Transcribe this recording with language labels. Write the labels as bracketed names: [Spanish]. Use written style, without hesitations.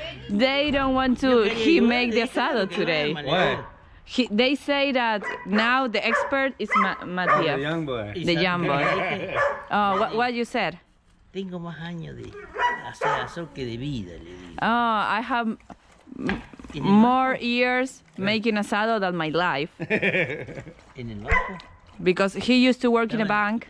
[English] They don't want to he make the asado today. Why? They say that now the expert is Matías. The young boy. The young boy. Oh, what you said? [Spanish] Tengo más años de hacer asado que de vida, le digo. [English] Oh, I have more years making asado than my life. [Spanish] ¿En el banco? [English] Because he used to work in a bank,